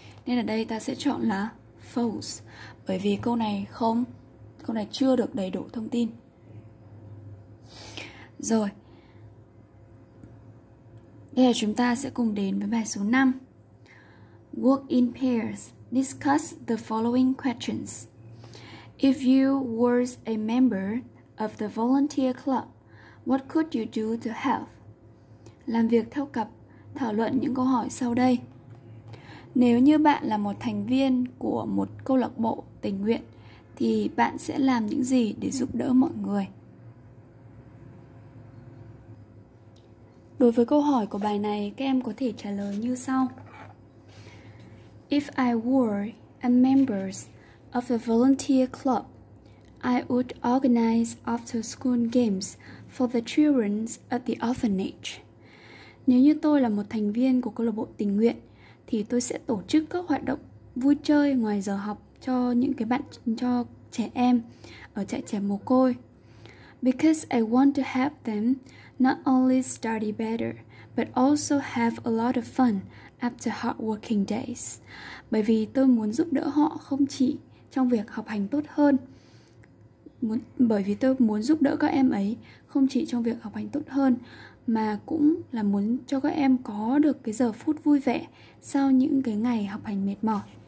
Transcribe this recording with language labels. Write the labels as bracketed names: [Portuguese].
[Vietnamese] Nên ở đây ta sẽ chọn là false, bởi vì câu này chưa được đầy đủ thông tin. Rồi, bây giờ chúng ta sẽ cùng đến với bài số 5. [English] Work in pairs. Discuss the following questions. If you were a member of the volunteer club, what could you do to help? [Vietnamese] Làm việc theo cặp, thảo luận những câu hỏi sau đây. Nếu như bạn là một thành viên của một câu lạc bộ tình nguyện, thì bạn sẽ làm những gì để giúp đỡ mọi người? Đối với câu hỏi của bài này, các em có thể trả lời như sau. [English] If I were a member of a volunteer club, I would organize after-school games for the children at the orphanage. [Vietnamese] Nếu như tôi là một thành viên của câu lạc bộ tình nguyện, thì tôi sẽ tổ chức các hoạt động vui chơi ngoài giờ học cho những cái bạn, cho trẻ em ở trại trẻ mồ côi. [English] Because I want to help them not only study better, but also have a lot of fun after hard working days. [Vietnamese] Bởi vì tôi muốn giúp đỡ họ không chỉ trong việc học hành tốt hơn, mà cũng là muốn cho các em có được cái giờ phút vui vẻ sau những cái ngày học hành mệt mỏi.